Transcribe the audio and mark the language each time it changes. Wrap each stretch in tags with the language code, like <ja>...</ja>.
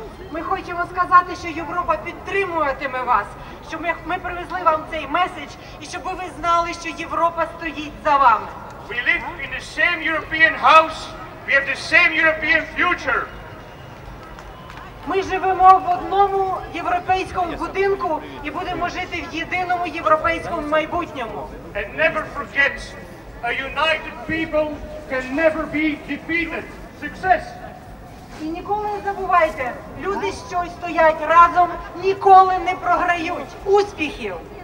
<uk>Ми хочемо сказати, що Європа підтримуватиме вас, що ми привезли вам цей меседж і щоб ви знали, що Європа стоїть за вами.</uk> <en>We live in the same European house. We have the same European future.</en> <uk>Ми живемо в одному європейському будинку і будемо жити в єдиному європейському майбутньому.</uk> <en>And never forget, a united people can never be defeated. Success!</en> <uk>І ніколи не забувайте, люди, що стоять разом, ніколи не програють. Успіхів!</uk>